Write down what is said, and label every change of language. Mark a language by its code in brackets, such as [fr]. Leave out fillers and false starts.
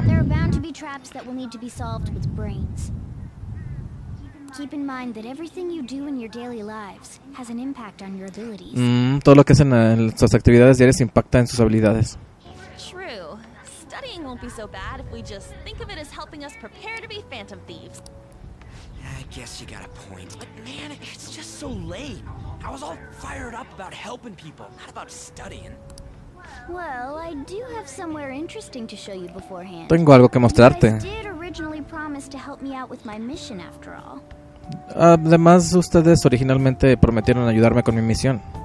[en] There are bound to be traps that will need to be solved with brains. Keep in mind that everything you do in your daily lives has an impact on your abilities. [es] Todo lo que hacen en sus actividades diarias impacta en sus habilidades. [en] True. Studying won't be so bad if we just think of it as helping us prepare to be phantom thieves. I guess you got a point, but man, it's just so late. I was all fired up about helping people, not about studying. Well, I do have somewhere interesting to show you beforehand. [es] Tengo algo que mostrarte. [en] You guys did originally promise to help me out with my mission, after all. [es] Además, ustedes originalmente prometieron ayudarme con mi misión.